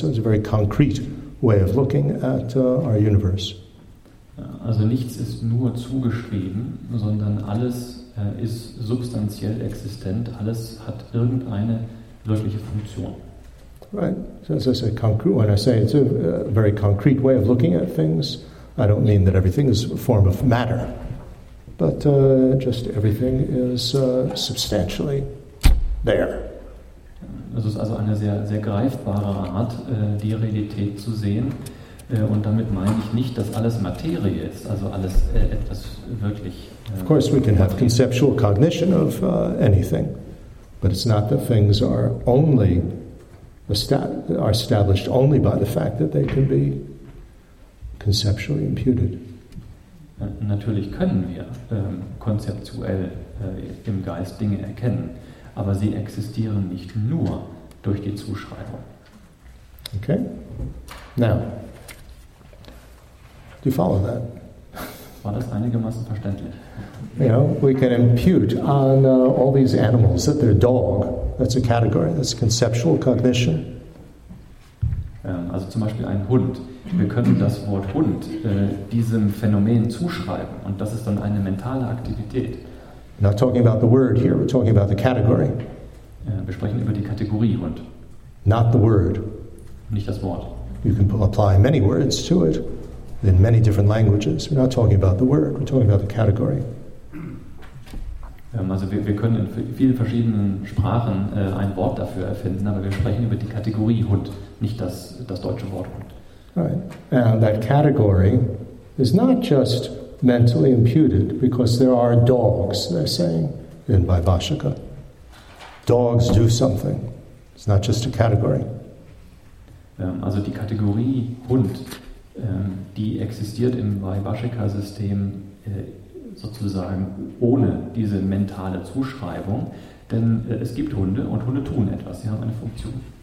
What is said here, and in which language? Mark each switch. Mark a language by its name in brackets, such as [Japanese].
[English] So it's a very concrete way of looking at our universe. [German] Also nichts ist nur zugeschrieben, sondern alles ist substanziell existent. Alles hat irgendeine wirkliche Funktion. [English] Right. So as I say, concrete. When I say it's a very concrete way of looking at things, I don't mean that everything is a form of matter, but just everything is substantially there. [German] Das ist also eine sehr greifbare Art, die Realität zu sehen, Und damit meine ich nicht, dass alles Materie ist, also alles etwas wirklich. [English] Of course, we can have conceptual cognition of anything, but it's not that things are only are established only by the fact that they can be conceptually imputed. [German] Natürlich können wir konzeptuell im Geist Dinge erkennen, aber sie existieren nicht nur durch die Zuschreibung. [English] Okay. Now, do you follow that? [German] War das einigermaßen verständlich? [English] You know, we can impute on all these animals that they're dog. That's a category. That's conceptual cognition. [German] Also zum Beispiel ein Hund. Wir können das Wort Hund diesem Phänomen zuschreiben, und das ist dann eine mentale Aktivität. [English] Not talking about the word here. We're talking about the category. [German] Wir sprechen über die Kategorie Hund. [English] Not the word. [German] Nicht das Wort. [English] You can apply many words to it in many different languages. We're not talking about the word. We're talking about the category. [German] Also wir können in vielen verschiedenen Sprachen ein Wort dafür erfinden, aber wir sprechen über die Kategorie Hund, nicht das deutsche Wort Hund. [English] Right. And that category is not just mentally imputed, because there are dogs, they're saying in Vaibhashika. Dogs do something. It's not just a category. [German] Also die Kategorie Hund, die existiert im Vaibhashika-System sozusagen ohne diese mentale Zuschreibung, denn es gibt Hunde und Hunde tun etwas, sie haben eine Funktion.